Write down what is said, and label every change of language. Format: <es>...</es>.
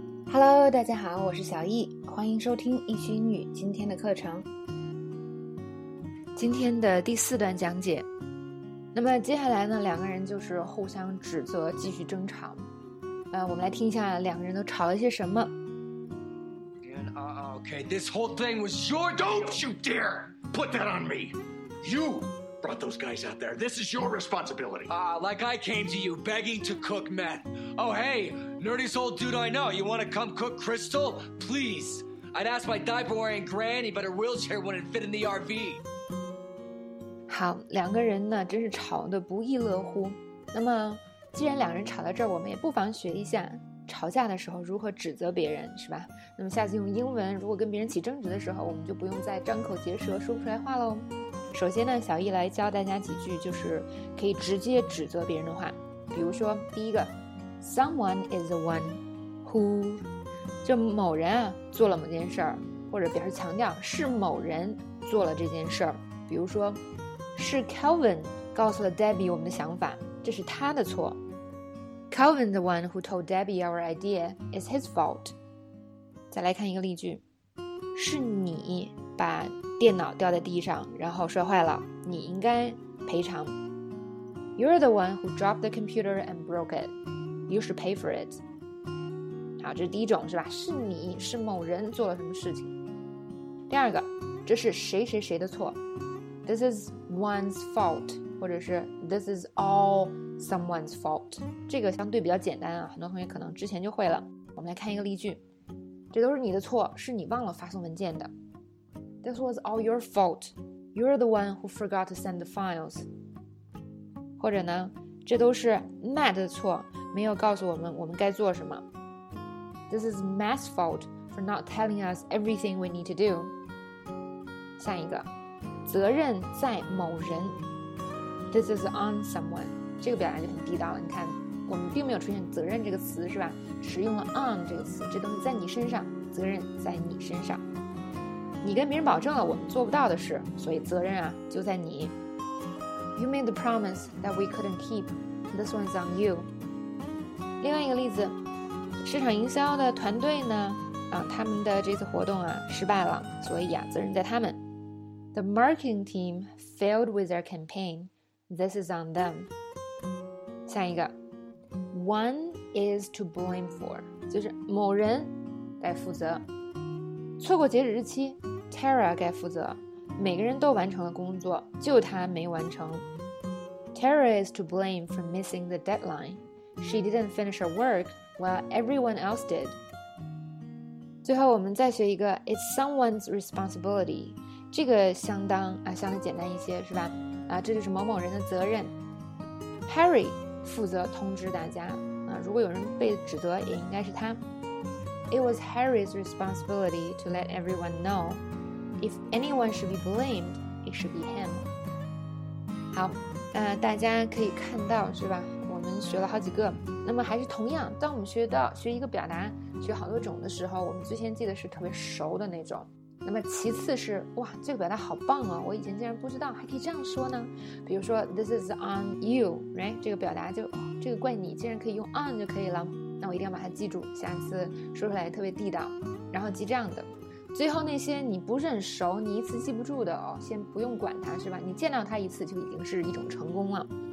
<zh>Hello， 大家好，我是小易，欢迎收听易学英语今天的课程。今天的第四段讲解，那么接下来呢，两个人就是互相指责，继续争吵。我们来听一下两个人都吵了些什么。</zh> <en>Okay, this whole thing was your. Don't you dare put that on me. You brought those guys out there. This is your responsibility. Like I came to you begging to cook meth. Oh, hey. Nerdiest old dude I know. You want to come cook Crystal? Please. I'd ask my diaper-wearing granny, but her wheelchair wouldn't fit in the RV.</en> <zh>好，两个人呢，真是吵得不亦乐乎。那么，既然两人吵到这儿，我们也不妨学一下吵架的时候如何指责别人，是吧？那么下次用英文，如果跟别人起争执的时候，我们就不用再张口结舌说不出来话喽。首先呢，小易来教大家几句，就是可以直接指责别人的话。比如说，第一个。</zh> <en>Someone is the one who</en> <zh>就某人啊做了某件事儿，或者表示强调是某人做了这件事儿。比如说，是 Kelvin 告诉了 Debbie 我们的想法，这是他的错。</zh> <en>Kelvin the one who told Debbie our idea is his fault.</en> <zh>再来看一个例句，是你把电脑掉在地上，然后摔坏了，你应该赔偿。</zh> <en>You're the one who dropped the computer and broke it. You should pay for it.</en> <zh>好，这是第一种，是吧？是你，是某人做了什么事情。第二个，这是谁谁谁的错。</zh> <en>This is one's fault.</en> <zh>或者是</zh> <en>This is all someone's fault.</en> <zh>这个相对比较简单啊，很多同学可能之前就会了。我们来看一个例句。这都是你的错，是你忘了发送文件的。</zh> <en>This was all your fault. You're the one who forgot to send the files.</en> <zh>或者呢，这都是 Matt 的错。没有告诉我们我们该做什么。</zh> <en>This is Matt's fault for not telling us everything we need to do.</en> <zh>下一个，责任在某人。</zh> <en>This is on someone.</en> <zh>这个表达就很地道了。你看，我们并没有出现责任这个词，是吧？只用了 on 这个词。这东西在你身上，责任在你身上。你跟别人保证了我们做不到的事，所以责任啊就在你。</zh> <en>You made the promise that we couldn't keep. This one's on you.</en> <zh>另外一个例子，市场营销的团队呢，他们的这次活动啊失败了，所以啊责任在他们。</zh> <en>The marketing team failed with their campaign. This is on them.</en> <zh>下一个 ，</zh> <en>one is to blame for，</en> <zh>就是某人该负责。错过截止日期 ，Tara 该负责。每个人都完成了工作，就他没完成。</zh> <en>Tara is to blame for missing the deadline. She didn't finish her work while everyone else did.</en> <zh>最后我们再学一个</zh> <en>It's someone's responsibility.</en> <zh>这个相当简单一些，是吧？这就是某某人的责任。 Harry 负责通知大家，如果有人被指责也应该是他。</zh> <en>It was Harry's responsibility to let everyone know. If anyone should be blamed, it should be him.</en> <zh>好，大家可以看到，是吧？我们学了好几个，那么还是同样，当我们学一个表达，学好多种的时候，我们最先记得是特别熟的那种。那么其次是，哇，这个表达好棒哦，我以前竟然不知道还可以这样说呢。比如说</zh> <en>，This is on you, right？</en> <zh>这个表达就，这个怪你，竟然可以用 on 就可以了。那我一定要把它记住，下次说出来特别地道。然后记这样的，最后那些你不是很熟，你一次记不住的哦，先不用管它，是吧？你见到它一次就已经是一种成功了。</zh>